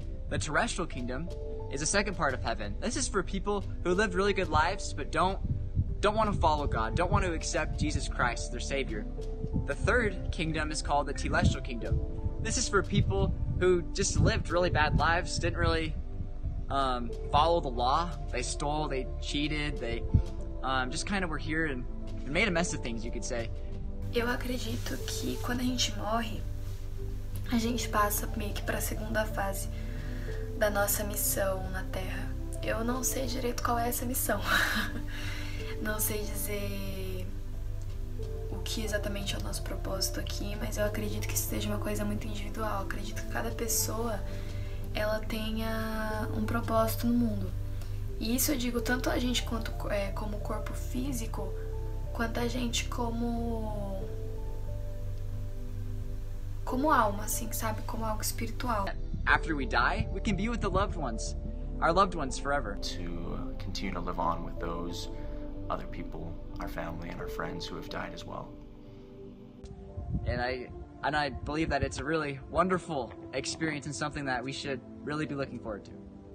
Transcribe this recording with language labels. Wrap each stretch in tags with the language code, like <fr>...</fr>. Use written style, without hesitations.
<en>The terrestrial kingdom is the second part of heaven. This is for people who live really good lives but don't want to follow God, don't want to accept Jesus Christ as their Savior. The third kingdom is called the telestial kingdom. This is for people who just lived really bad lives, didn't really follow the law. They stole, they cheated, they just kind of were here and made a mess of things, you could say.</en> <pt>Eu acredito que quando a gente morre, a gente passa meio que para a segunda fase da nossa missão na Terra. Eu não sei direito qual é essa missão. Não sei dizer que exatamente é o nosso propósito aqui, mas eu acredito que isso seja uma coisa muito individual. Eu acredito que cada pessoa ela tenha um propósito no mundo. E isso eu digo tanto a gente quanto como corpo físico, quanto a gente como alma, assim, sabe, como algo espiritual.</pt> <en>After we die, we can be with the loved ones, our loved ones forever. To continue to live on with those other people, our family and our friends who have died as well. And I believe that it's a really wonderful experience and something that we should really be looking forward to.</en>